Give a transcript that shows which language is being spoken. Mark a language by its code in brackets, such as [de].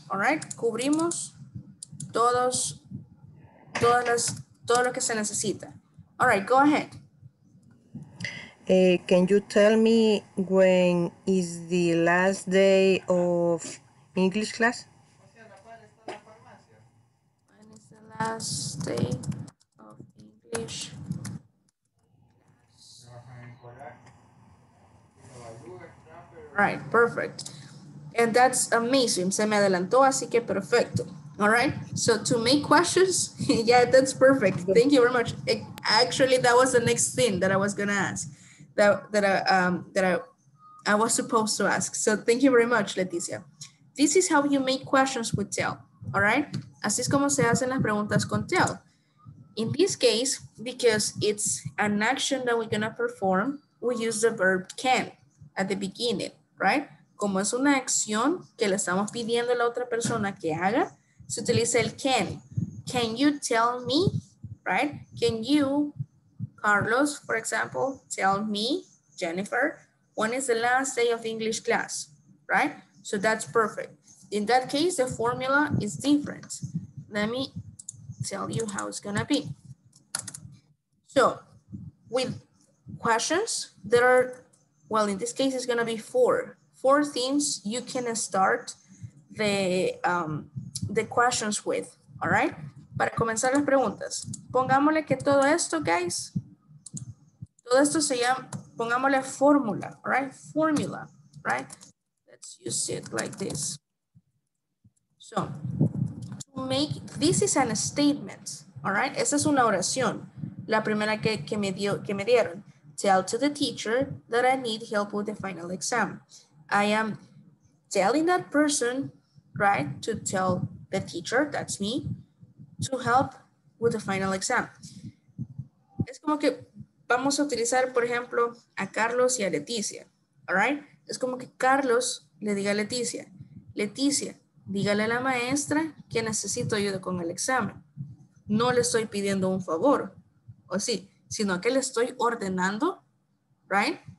[en] All right, [es] cubrimos todos, todas las, todo lo que se necesita. [en] All right, go ahead. Can you tell me when is the last day of English class? When is the last day of English? Right, perfect. And that's amazing. [es] Se me adelantó, así que perfecto. [en] All right, so to make questions, yeah, that's perfect. Thank you very much. It, actually, that was the next thing that I was gonna ask. That I was supposed to ask. So thank you very much, Leticia. This is how you make questions with tell, all right? [es] Así es como se hacen las preguntas con tell. [en] In this case, because it's an action that we're gonna perform, we use the verb can at the beginning, right? [es] Como es una acción que le estamos pidiendo a la otra persona que haga, se utiliza el can. [en] Can you tell me, right? Can you, Carlos, for example, tell me, Jennifer, when is the last day of English class, right? So that's perfect. In that case, the formula is different. Let me tell you how it's gonna be. So with questions, there are, well, in this case, it's gonna be four things you can start the questions with, all right? [es] Para comenzar las preguntas, pongámosle que todo esto, [en] guys, [es] todo esto se llama, pongámosle fórmula, [en] right? Formula, right? Let's use it like this. So, to make, this is an statement, all right? [es] Esa es una oración, la primera que me dieron. [en] Tell to the teacher that I need help with the final exam. I am telling that person, right? To tell the teacher, that's me, to help with the final exam. [es] Es como que vamos a utilizar, por ejemplo, a Carlos y a Leticia, [en] all right? [es] Es como que Carlos le diga a Leticia, Leticia, dígale a la maestra que necesito ayuda con el examen. No le estoy pidiendo un favor, o sí, sino que le estoy ordenando, [en] right?